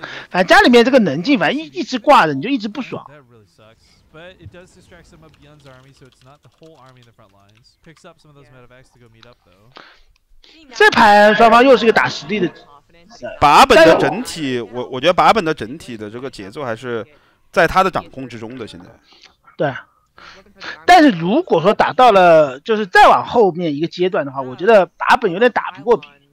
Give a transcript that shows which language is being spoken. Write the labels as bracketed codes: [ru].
[zh] 反正家里面这个能静，反正一直挂着，你就一直不爽。 [en] But it does distract some of Byun's army, so it's not the whole army in the front lines. Picks up some of those medevacs to go meet up, though. [zh] 这盘双方又是个打实力的。把本的整体，我觉得把本的整体的这个节奏还是在他的掌控之中的。现在，对。但是如果说打到了就是再往后面一个阶段的话，我觉得把本有点打不过兵。